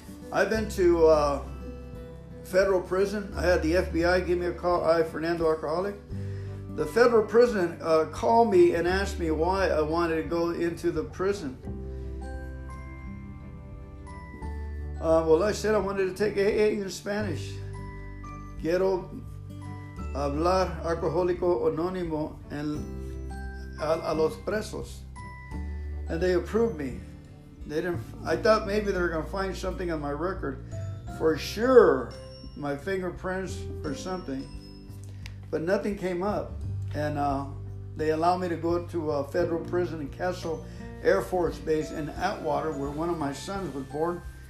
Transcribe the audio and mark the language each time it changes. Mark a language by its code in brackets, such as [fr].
[en] I've been to federal prison. I had the FBI give me a call. I, Fernando Alcoholic. The federal prison called me and asked me why I wanted to go into the prison. Well, I said I wanted to take AA in Spanish. [es] Quiero hablar alcohólico anónimo en, a los presos. [en] And they approved me. They didn't. I thought maybe they were going to find something on my record. For sure, my fingerprints or something. But nothing came up. And they allowed me to go to a federal prison in Kessel Air Force Base in Atwater, where one of my sons was born.